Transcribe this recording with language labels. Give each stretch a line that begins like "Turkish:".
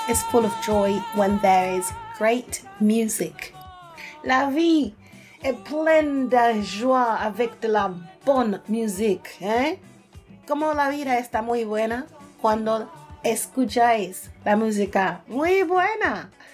English: Full of joy when there is great music.
French: La vie est pleine de joie avec de la bonne musique. ¿Eh?
Spanish: Como la vida está muy buena cuando escucháis la música muy buena.